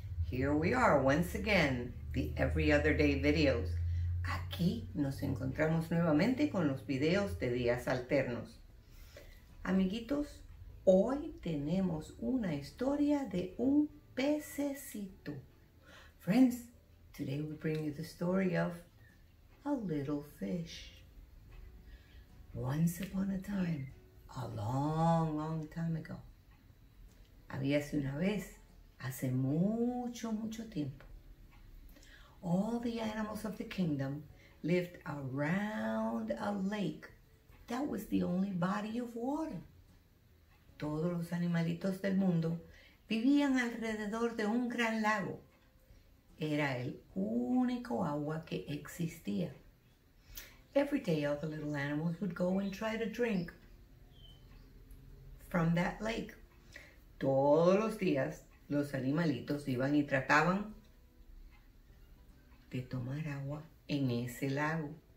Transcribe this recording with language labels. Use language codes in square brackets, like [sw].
[en] Here we are once again, the every other day videos. [es] Aquí nos encontramos nuevamente con los videos de días alternos. Amiguitos, hoy tenemos una historia de un pececito. [en] Friends, today we bring you the story of a little fish. Once upon a time, a long, long time ago, [es] habíase una vez, hace mucho, mucho tiempo, [en] all the animals of the kingdom lived around a lake that was the only body of water. [es] Todos los animalitos del mundo vivían alrededor de un gran lago. Era el único agua que existía. [en] Every day all the little animals would go and try to drink from that lake. [es] Todos los días los animalitos iban y trataban de tomar agua en ese lago.